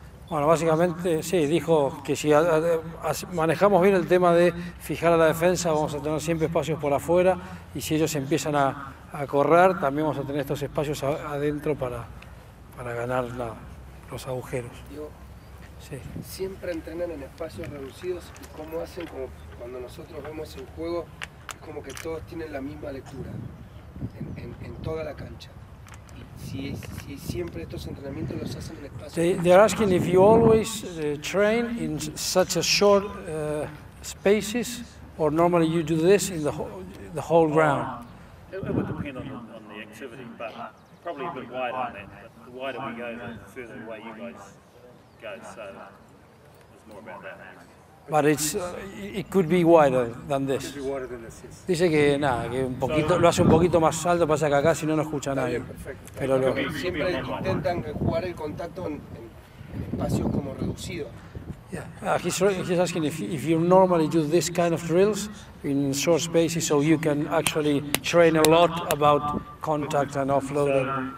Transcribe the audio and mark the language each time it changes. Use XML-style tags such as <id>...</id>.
<es>bueno, básicamente, sí, dijo que si manejamos bien el tema de fijar a la defensa, vamos a tener siempre espacios por afuera, y si ellos empiezan a correr, también vamos a tener estos espacios adentro para ganar los agujeros. Sí. Siempre entrenan en espacios reducidos, y cómo hacen, como cuando nosotros vemos el juego, es como que todos tienen la misma lectura en toda la cancha.</es> <en>They are asking if you always train in such a short spaces, or normally you do this in the whole ground. It would depend on the activity, but probably a bit wider than that. The wider we go, the further away you guys go. So it's more about that. But it's it could be wider than this.</en> <es>Dice que nada, que un poquito, lo hace un poquito más alto, pasa que acá si no escucha nadie. Pero siempre intentan jugar el contacto en espacios como reducidos.</es> <en>Yeah, he's asking if you normally do this kind of drills in short spaces, so you can actually train a lot about contact and offloading.</en>